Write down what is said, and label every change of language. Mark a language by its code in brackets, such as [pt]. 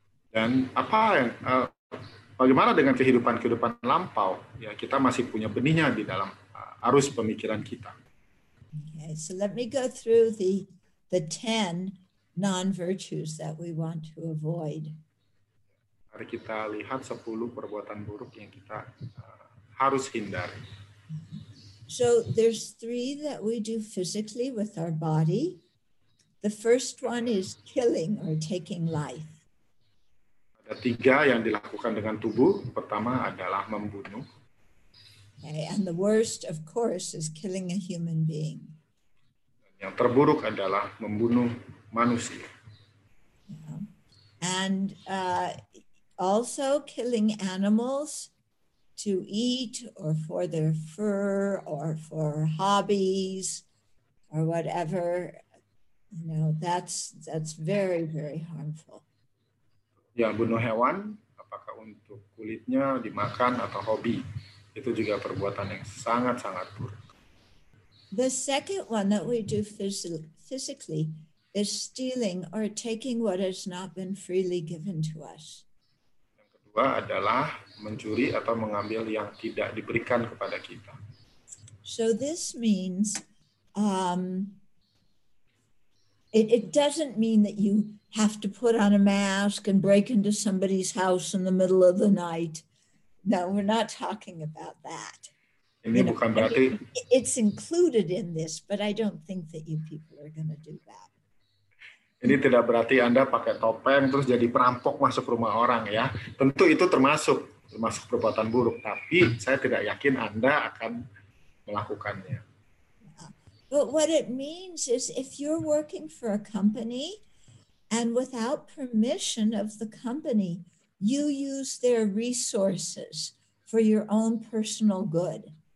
[id] Dan apa yang bagaimana dengan kehidupan-kehidupan lampau? Ya, kita masih punya benihnya di dalam arus pemikiran kita. [en] Okay, so let me go through the 10 non-virtues that we want to avoid. [id] Mari kita lihat 10 perbuatan buruk yang kita harus hindari. [en] So there's 3 that we do physically with our body. The first one is killing or taking life. [id] Ada 3 yang dilakukan dengan tubuh. Pertama adalah membunuh. [en] Okay, and the worst, of course, is killing a human being. [id] Yang terburuk adalah membunuh manusia. [en] Yeah. And also killing animals to eat or for their fur or for hobbies or whatever, you know, that's very, very harmful. [id] Ya, bunuh hewan, apakah untuk kulitnya, dimakan, atau hobi. Itu juga perbuatan yang sangat-sangat buruk. [en] The second one that we do physically is stealing or taking what has not been freely given to us. [id] Yang kedua adalah mencuri atau mengambil yang tidak diberikan kepada kita. [en] So this means it doesn't mean that you have to put on a mask and break into somebody's house in the middle of the night. No, we're not talking about that. [id] Ini [en] you [id] bukan [en] know, [id] berarti [en] it's included in this, but I don't think that you people are going to do that. [id] Ini tidak berarti Anda pakai topeng terus jadi perampok masuk rumah orang ya. Tentu itu termasuk perbuatan buruk, tapi saya tidak yakin Anda akan melakukannya. [en] But what it means is if you're working for a company and without permission of the company, you use their resources for your own personal good.